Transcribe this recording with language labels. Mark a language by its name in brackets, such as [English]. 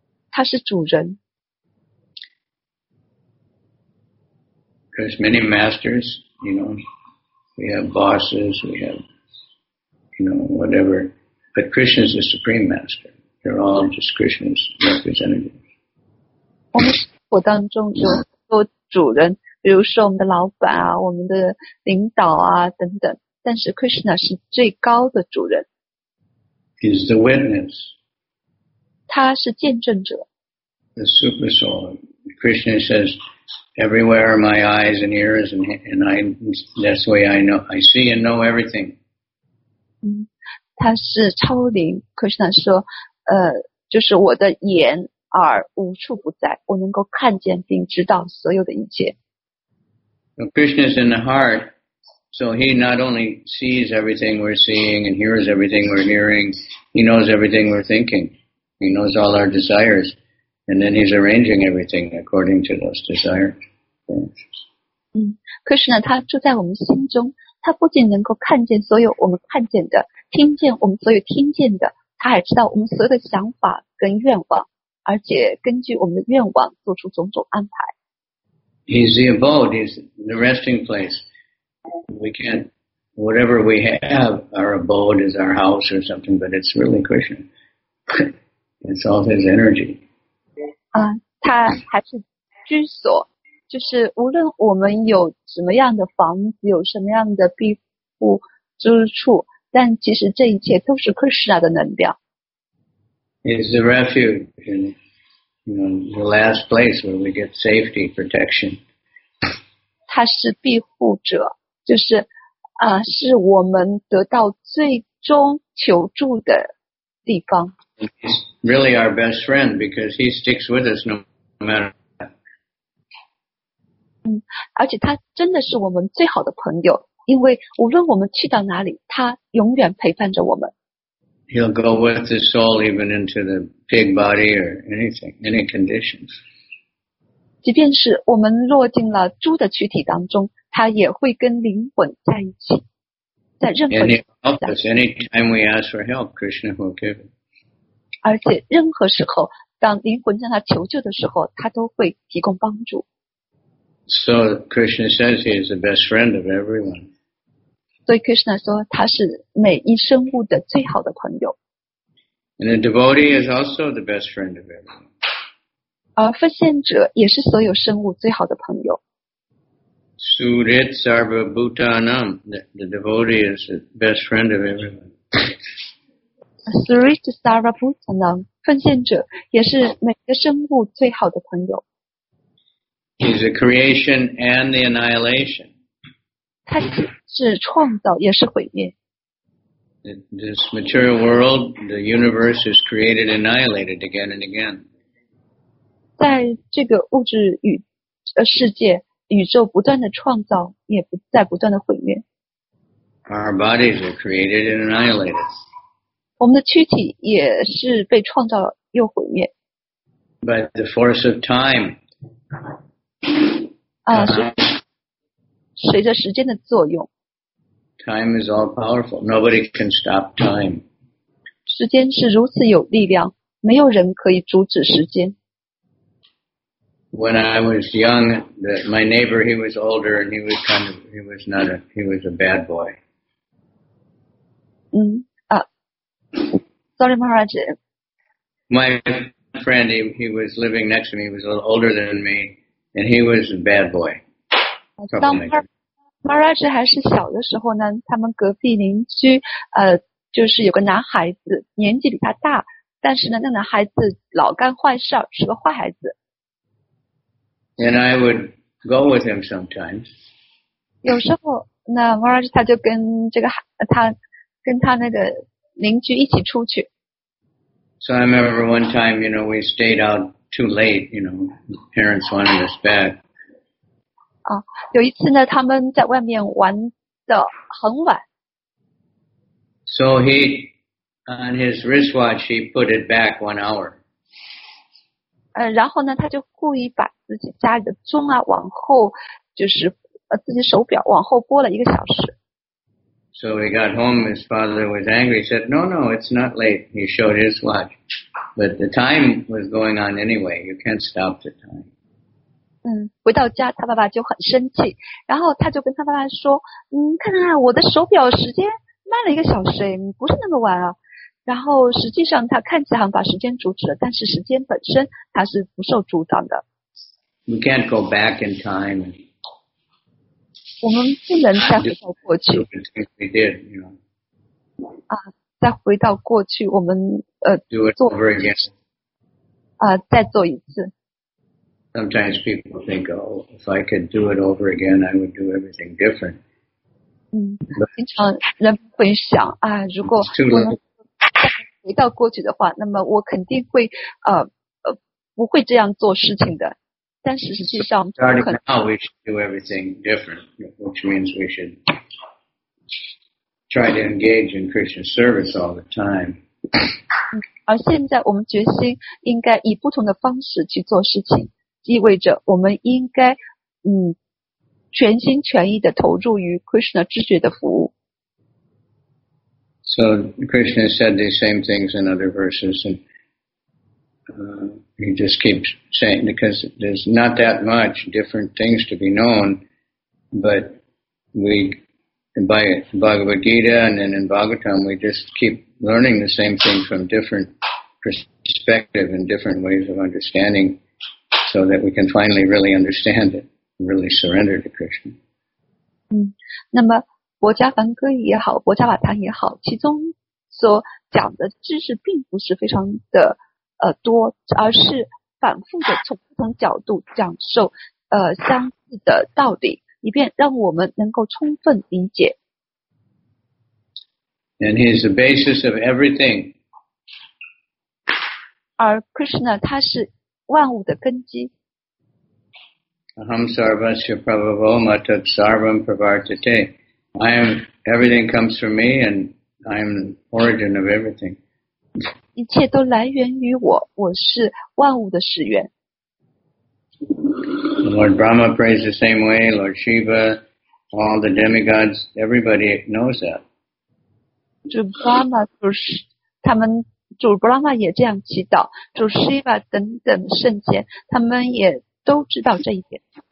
[Chinese] 他是主人。 [English] There's many masters, you know, we have bosses, we have, you know, whatever, but Krishna is the supreme master. They're all just Krishna's representatives. [Chinese] 我们生活当中有很多主人，比如说我们的老板啊，我们的领导啊等等，但是 Krishna 是最高的主人。 [English] He's the witness. [Chinese] 他是见证者。 [English] The super soul. Krishna says,Everywhere are my eyes and ears, and I, that's the way I know, I see and know everything. [Chinese] 他是超灵 Krishna 说就是我的眼耳无处不在，我能够看见并知道所有的一切。 [English] So Krishna is in the heart, so he not only sees everything we're seeing and hears everything we're hearing, he knows everything we're thinking, he knows all our desires. And then he's arranging everything according to those desires. [Chinese] Krishna, 他住在我们心中，他不仅能够看见所有我们看见的，听见我们所有听见的，他还知道我们所有的想法跟愿望，而且根据我们的愿望做出种种安排。 [English] He's the abode, he's the resting place. We can't, whatever we have, our abode is our house or something, but it's really Krishna. It's all his energy. [Chinese] 他还是居所，就是无论我们有什么样的房子，有什么样的庇护之处，但其实这一切都是 Krishna 的能量。 [English] It's the refuge, in, you know, the last place where we get safety, protection. [Chinese] 他是庇护者，就是是我们得到最终求助的地方。 [English] He's really our best friend because he sticks with us no matter what. [Chinese] 而且他真的是我们最好的朋友，因为无论我们去到哪里，他永远陪伴着我们。 [English] He'll go with the soul even into the pig body or anything, any conditions. [Chinese] 即便是我们落进了猪的躯体当中，他也会跟灵魂在一起，在任何。 [English] And he'll help us any time we ask for help, Krishna will give it. [Chinese] 而且任何时候当灵魂向他求救的时候，他都会提供帮助。 [English] So Krishna says he is the best friend of everyone. [Chinese] 所以 Krishna 说他是每一生物的最好的朋友。 [English] And a devotee is also the best friend of everyone. [Chinese] 而奉献者也是所有生物最好的朋友。 [Sanskrit] Surit Sarva Bhutanam, [English] the devotee is the best friend of everyone. [Sanskrit] Surit Sarva Bhutanam, [Chinese] 奉献者也是每个生物最好的朋友。 [English] He's a creation and the annihilation. [Chinese] 他是创造也是毁灭。 [English] This material world, the universe is created and annihilated again and again. [Chinese] 在这个物质与世界，宇宙不断的创造，也在不断的毁灭。 [English] Our bodies are created and annihilated. [Chinese] 我们的躯体也是被创造又毁灭。 [English] By the force of time. [Chinese] 随着时间的作用。 [English] Time is all powerful. Nobody can stop time. [Chinese] 时间是如此有力量，没有人可以阻止时间。 [English] When I was young, my neighbor, he was older, and he was kind of, he was a bad boy. Sorry, Maharaj. My friend, he was living next to me. He was a little older than me, and he was a bad boy. [Chinese] Maharaj 还是小的时候呢，他们隔壁邻居，就是有个男孩子，年纪比他大，但是呢，那男孩子老干坏事，是个坏孩子。 [English] And I would go with him sometimes. [Chinese] 有时候，那 Maharaj 他就跟这个他跟他那个。邻居一起出去。 [English] So I remember one time, you know, we stayed out too late, you know, parents wanted us back. [Chinese] 有一次呢，他们在外面玩的很晚。 [English] So he, on his wristwatch, he put it back 1 hour. [Chinese] 然后呢他就故意把自己家里的钟啊往后就是自己手表往后拨了一个小时。 [English] So he got home, his father was angry, he said, no, no, it's not late. He showed his watch. But the time was going on anyway, you can't stop the time. [Chinese] 回到家他爸爸就很生气，然后他就跟他爸爸说，看看我的手表时间慢了一个小时，不是那么晚啊。然后实际上他看起来好像把时间阻止了，但是时间本身他是不受阻挡的。 [English] We can't go back in time. [Chinese] 我们不能再回到过去。 [English] We did, you know. [Chinese] 再回到过去，我们 [English] do it over again. [Chinese] 再做一次。 [English] Sometimes people think, oh, if I could do it over again, I would do everything different. [Chinese] 经常人会想啊，如果我能回到过去的话，那么我肯定会不会这样做事情的。但是实际上不可能。 [English] Starting now, we should do everything different, which means we should try to engage in Christian service all the time. [Chinese] 而现在我们决心应该以不同的方式去做事情。意味着我们应该全心全意的投入于 Krishna 知觉的服务。 [English] So Krishna said the same things in other verses and he just keeps saying because there's not that much different things to be known but we by Bhagavad Gita and then in Bhagavatam we just keep learning the same thing from different perspective and different ways of understandingso that we can finally really understand it, really surrender to Krishna. [Chinese] 那么薄伽梵歌也好，薄伽瓦檀也好，其中所讲的知识并不是非常的多，而是反复的从不同角度讲授相似的道理，以便让我们能够充分理解。 [English] And he is the basis of everything. [Chinese] 而 Krishna 他是万物的根基。 [Sanskrit] Aham sarvasya prabhavo matat sarvam pravartate. [English] I am, everything comes from me and I am the origin of everything. [Chinese] 一切都来源于我，我是万物的始源。 [English] Lord Brahma prays the same way, Lord Shiva, all the demigods, everybody knows that. 主 Brahma 就是他们主布拉玛也这样祈祷，主释迦等等圣贤，他们也都知道这一点。